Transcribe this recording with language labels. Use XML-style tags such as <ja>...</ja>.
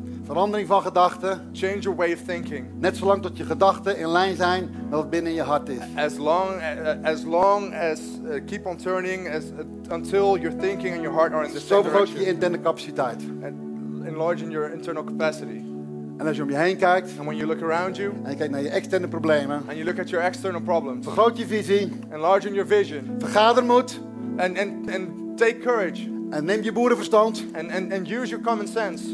<nl>Verandering van gedachten.</nl> <en>Change your way of thinking.</en> <nl>Net zolang tot je gedachten in lijn zijn met wat binnen je hart is.</nl> <en>As long as keep on turning until your thinking and your heart are in the same</en> <nl>direction. Zo vergroot je interne capaciteit.</nl> <en>Enlarging your internal capacity.</en> <nl>En als je om je heen kijkt.</nl> <en>And when you look around you.</en> <nl>En je kijkt naar je externe problemen.</nl> <en>And you look at your external problems.</en> <nl>Vergroot je visie.</nl> <en>Enlarging your vision.</en> <nl>Vergader moed.</nl> <en>And take courage.</en> <nl>En neem je boerenverstand.</nl> <en>And use your common sense.</en>